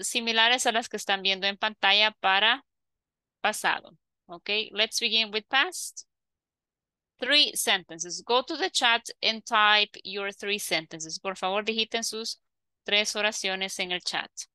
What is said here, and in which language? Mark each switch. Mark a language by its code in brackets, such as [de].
[es] Similares a las que están viendo en pantalla para pasado, ¿ok? [en] Let's begin with past. Three sentences. Go to the chat and type your three sentences. [es] Por favor, digiten sus tres oraciones en el chat.